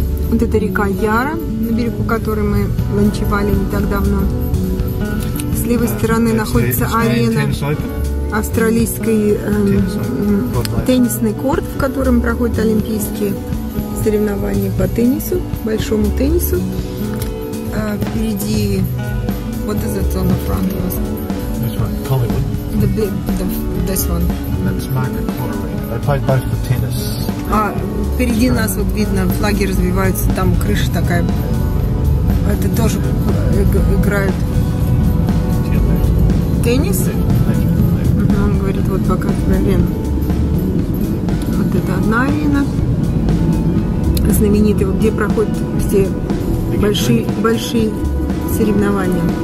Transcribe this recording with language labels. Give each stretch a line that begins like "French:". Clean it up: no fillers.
Russian: Вот это река Яра, на берегу которой мы ланчевали не так давно. С левой стороны находится арена австралийской теннисный корт, в котором проходят олимпийские соревнования по теннису, большому теннису. Впереди,
English: what is it on the front of us? Which one? Collingwood? This one. That's Margaret Quarterly. They played both for tennis.
Russian: Впереди нас вот видно, флаги развиваются, там крыша такая. Это тоже играют. Теннис? Он говорит, вот пока арена. Вот это одна арена. Знаменитый, вот где проходят все большие соревнования.